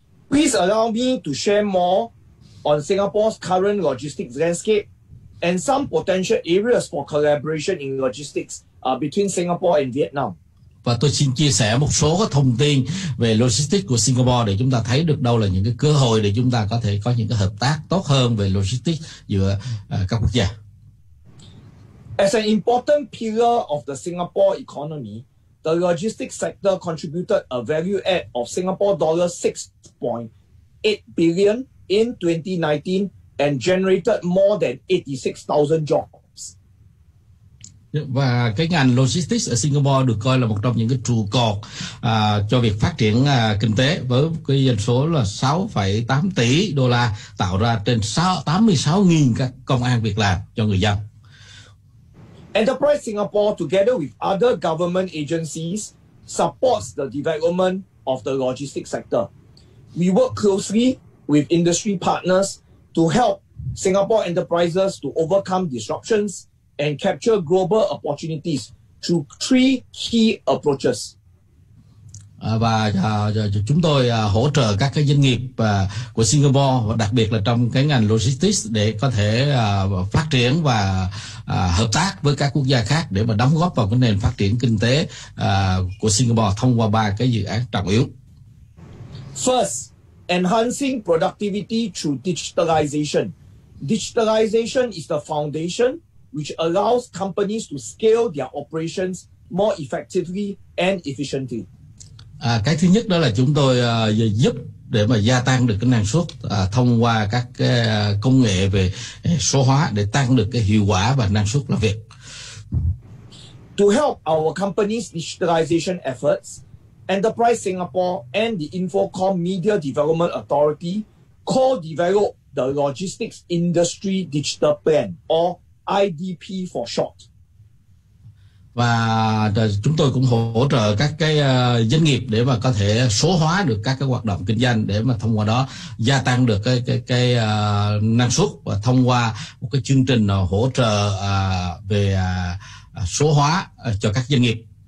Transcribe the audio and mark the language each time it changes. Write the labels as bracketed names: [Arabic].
[English] Please allow me to share more on Singapore's current logistics landscape and some potential areas for collaboration in logistics between Singapore and Vietnam. [Vietnamese] Và tôi xin chia sẻ một số cái thông tin về logistics của Singapore để chúng ta thấy được đâu là những cái cơ hội để chúng ta có thể có những cái hợp tác tốt hơn về logistics giữa các quốc gia. [English] As an important pillar of the Singapore economy, the logistics sector contributed a value add of SGD 6.8 billion in 2019. And generated more than 86,000 jobs. [Vietnamese] Và cái ngành logistics ở Singapore được coi là một trong những cái trụ cột cho việc phát triển kinh tế, với cái dân số là 6,8 tỷ đô la, tạo ra trên 86,000 các công an việc làm cho người dân. [English] Enterprise Singapore, together with other government agencies, supports the development of the logistics sector. We work closely with industry partners to help Singapore enterprises to overcome disruptions and capture global opportunities through three key approaches. [Vietnamese] Và chúng tôi hỗ trợ các cái doanh nghiệp của Singapore, và đặc biệt là trong cái ngành logistics, để có thể phát triển và hợp tác với các quốc gia khác để mà đóng góp vào cái nền phát triển kinh tế của Singapore thông qua ba cái dự án trọng yếu. [English] First, enhancing productivity through digitalization. digitalization is the foundation which allows companies to scale their operations more effectively and efficiently. [Vietnamese] À, cái thứ nhất đó là chúng tôi giúp để mà gia tăng được cái năng suất thông qua các cái công nghệ về số hóa để tăng được cái hiệu quả và năng suất làm việc. [English] To help our company's digitalization efforts, Enterprise Singapore and the Infocom Media Development Authority co-developed the Logistics Industry Digital Plan, or IDP for short. [Vietnamese] Và chúng tôi cũng hỗ trợ các cái doanh nghiệp để mà có thể số hóa được các cái hoạt động kinh doanh để mà thông qua đó gia tăng được cái năng suất và thông qua một cái chương trình hỗ trợ về số hóa cho các doanh nghiệp.